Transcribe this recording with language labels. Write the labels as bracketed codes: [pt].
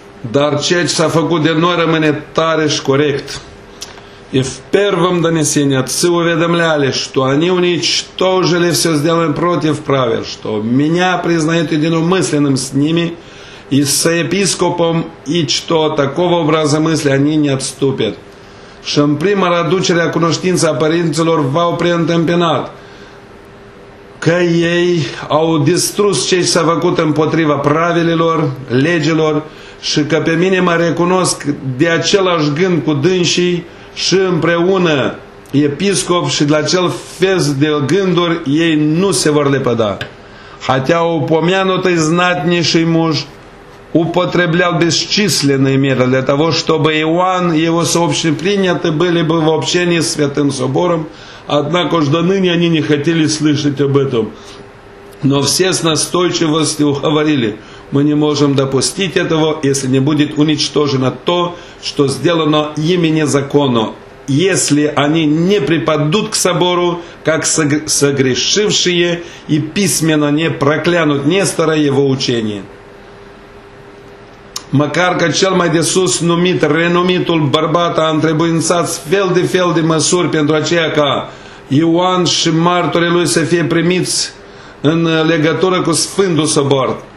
[ro] Dar ceea ce s-a făcut de noi rămâne tare și corect. [ru] И в первом донесении отцы уведомляли, что они уничтожили все сделанное против правил, что меня признают единомысленным с ними и с епископом, и что такого образа мысли они не отступят. [ro] Și în prima aducere a cunoștinței a părinților v-au preîntâmpinat că ei au distrus ce s-a făcut împotriva pravilelor, legilor și că pe mine mă recunosc de același gând cu dânsii și împreună episcop și la cel fel de gânduri ei nu se vor lepăda. [ru] Хотя упомянутый знатнейший муж употреблял бесчисленные меры для того, чтобы Иоанн и его сообщники приняты были бы в общении с Святым Собором, однако ж до ныне они не хотели слышать об этом. Но все с настойчивостью говорили, мы не можем допустить этого, если не будет уничтожено то, что сделано ими незаконно, если они не припадут к Собору, как согрешившие, и письменно не проклянут Нестора и его учение. [ro] Măcar că cel mai de sus numit, renumitul bărbat a întrebuințat fel de fel de măsuri pentru aceea ca Ioan și martorii lui să fie primiți în legătură cu Sfântul Sobor.